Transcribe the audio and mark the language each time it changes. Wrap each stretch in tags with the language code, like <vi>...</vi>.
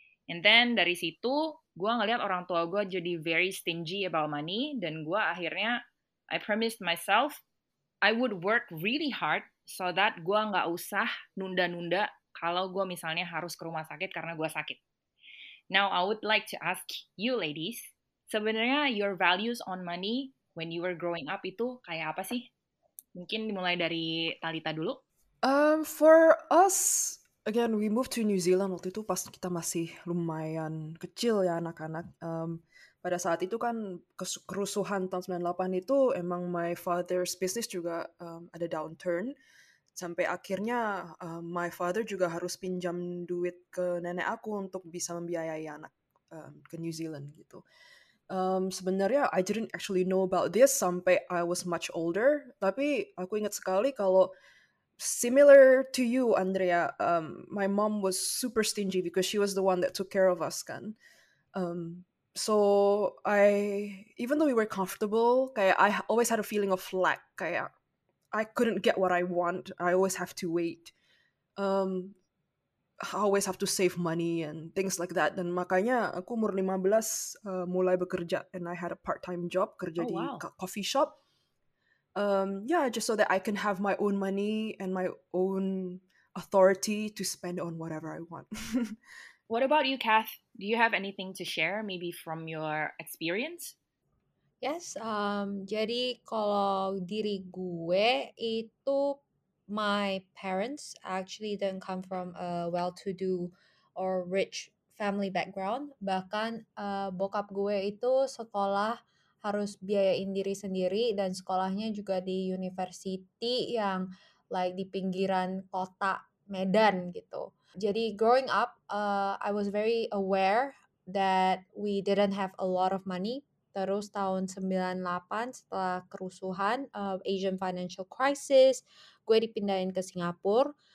<en>And then</en> <id>dari situ, gue ngeliat orang tua gue jadi</id> <en>very stingy about money,</en> <id>dan gue akhirnya,</id> <en>I promised myself, I would work really hard, so that</en> <id>gue gak usah nunda-nunda kalau gue misalnya harus ke rumah sakit karena gue sakit.</id> <en>Now, I would like to ask you ladies,</en> <id>sebenarnya</id> <en>your values on money when you were growing up</en> <id>itu kayak apa sih? Mungkin dimulai dari Talita dulu.</id> <en>For us, again, we moved to New Zealand</en> <id>waktu itu pas kita masih lumayan kecil ya anak-anak. Pada saat itu kan kerusuhan tahun 98 itu emang</id> <en>my father's business</en> <id>juga ada</id> <en>downturn.</en> <id>Sampai akhirnya</id> <en>my father</en> <id>juga harus pinjam duit ke nenek aku untuk bisa membiayai anak ke New Zealand gitu. Sebenarnya</id> <en>I didn't actually know about this</en> <id>sampai</id> <en>I was much older.</en> <id>Tapi aku ingat sekali kalau</id> <en>similar to you, Andrea, my mom was super stingy because she was the one that took care of us,</en> <id>kan?</id> <en>So I, even though we were comfortable,</en> <id>kayak</id> <en>I always had a feeling of lack, kayak I couldn't get what I want. I always have to wait. I always have to save money and things like that.</en> <id>Dan makanya aku umur 15 mulai bekerja,</id> <en>and I had a part-time job,</en> <id>kerja di coffee shop.</id> <en>Yeah, just so that I can have my own money and my own authority to spend on whatever I want. What about you, Kath? Do you have anything to share, maybe from your experience? Yes,</en> <id>jadi kalau diri gue itu,</id> <en>my parents actually didn't come from a well-to-do or rich family background.</en> <id>Bahkan bokap gue itu sekolah harus biayain diri sendiri, dan sekolahnya juga di university yang like di pinggiran kota Medan gitu. Jadi</id> <en>growing up, I was very aware that we didn't have a lot of money.</en> <id>Terus tahun 98 setelah kerusuhan, Asian Financial Crisis, gue dipindahin ke Singapura.</id>